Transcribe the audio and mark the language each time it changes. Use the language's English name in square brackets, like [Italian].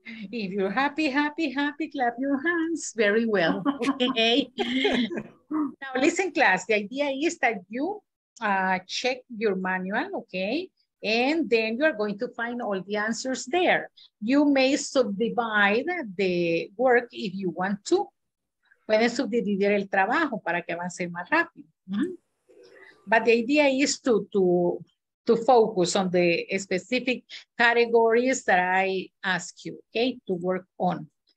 [English] If you're happy, happy, happy, clap your hands. Very well. Okay. Now, listen, class. The idea is that you check your manual, okay? And then you're going to find all the answers there. You may subdivide the work if you want to. [Spanish] Pueden subdividir el trabajo para que avance más rápido. [English] But the idea is to focus on the specific categories that I ask you, okay, to work on.